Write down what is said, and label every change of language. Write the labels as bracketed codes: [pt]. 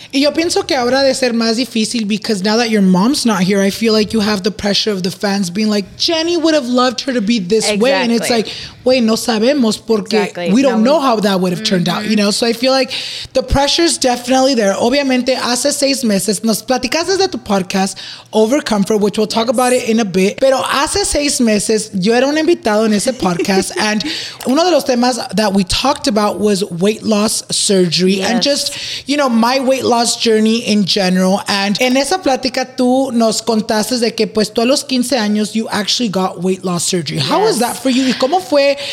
[es] Y yo pienso que ahora de ser más difícil, [en] because now that your mom's not here, I feel like you have the pressure of the fans being like, Jenny would have loved her to be this way. And it's like, wait, [es] no sabemos porque [en] we don't know how that would have turned out, you know? So I feel like the pressure's definitely there. [es] Obviamente, hace 6 meses, nos platicaste de tu podcast, Over Comfort, [en] which we'll talk about it in a bit. [es] Pero hace seis meses, yo era un invitado en ese podcast. [en] And [es] uno de los temas [en] that we talked about was weight loss surgery. Yes. And just, you know, my weight loss journey in general. [es] And en esa plática, tú nos contaste de que pues tú a los 15 años, [en] you actually got weight loss surgery. Yes. How was that for you? [es] ¿Cómo fue?